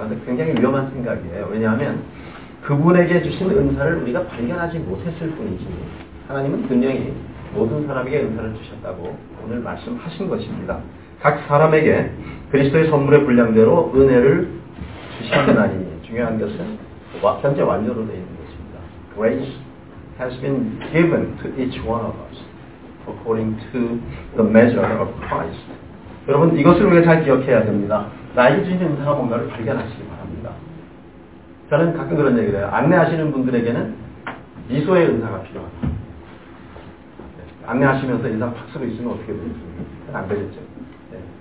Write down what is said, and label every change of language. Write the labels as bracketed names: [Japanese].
[Korean] 근데 굉장히 위험한 생각이에요. 왜냐하면 그분에게 주신 은사를 우리가 발견하지 못했을 뿐이지 하나님은 분명히 모든 사람에게 은사를 주셨다고 오늘 말씀하신 것입니다. 각 사람에게 그리스도의 선물의 분량대로 은혜를 주신다니 중요한 것은 현재 완료로 되어 있는 것입니다. [English] Grace has been given to each one of us according to the measure of Christ. [Korean] 여러분 이것을 우리가 잘 기억해야 됩니다. 나에게 주신 은사가 뭔가를 발견하시기 바랍니다. 저는 가끔 그런 얘기를 해요. 안내하시는 분들에게는 미소의 은사가 필요합니다. 안내하시면서 인상 팍 쓰고 있으면 어떻게 되겠습니까? 안 되겠죠. 네.